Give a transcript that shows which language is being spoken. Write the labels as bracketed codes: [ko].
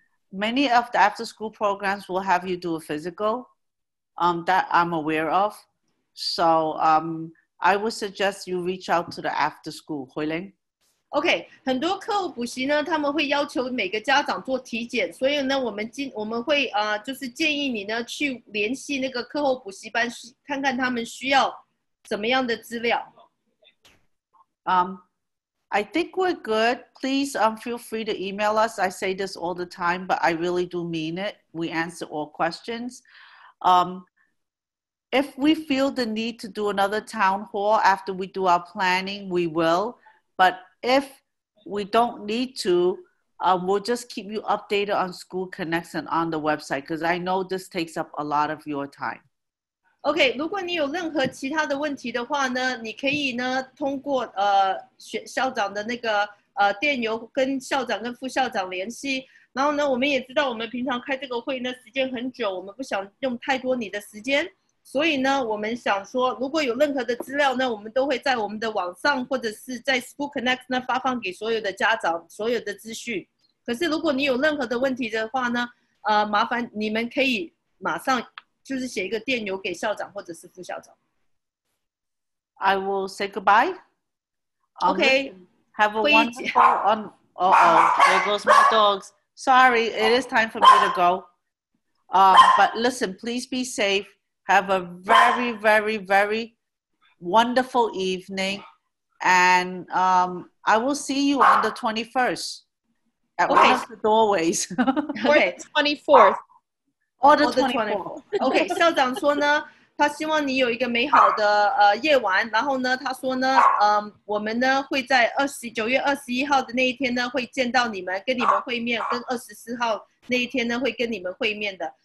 [en] Many of the after-school programs will have you do a physical that I'm aware of. So I would suggest you reach out to the after-school, Hui Ling. [zh] Okay, 很多课后补习呢，他们会要求每个家长做体检，所以呢，我们会就是建议你呢去联系那个课后补习班，看看他们需要怎么样的资料。 [en] I think we're good. Please feel free to email us. I say this all the time, but I really do mean it. We answer all questions. If we feel the need to do another town hall after we do our planning, we will. But if we don't need to, we'll just keep you updated on School Connects and on the website, because I know this takes up a lot of your time. [zh] OK, 如果你有任何其他的问题的话呢，你可以呢通过校长的那个电邮跟校长跟副校长联系。然后呢，我们也知道我们平常开这个会呢时间很久，我们不想用太多你的时间，所以呢，我们想说如果有任何的资料呢，我们都会在我们的网上或者是在 School Connect 呢发放给所有的家长所有的资讯。可是如果你有任何的问题的话呢，麻烦你们可以马上就是写一个电邮给校长或者是副校长。 [en] I will say goodbye. Okay. Have a wonderful. There goes my dogs. Sorry, it is time for me to go. But listen, please be safe. Have a very, very, very wonderful evening. And I will see you on the 21st at one of the doorways. Okay, 24th. All the 24. [zh] OK, 校长说呢，他希望你有一个美好的夜晚。然后呢，他说呢，我们呢会在9月21号的那一天呢会见到你们，跟你们会面，跟24号那一天呢会跟你们会面的。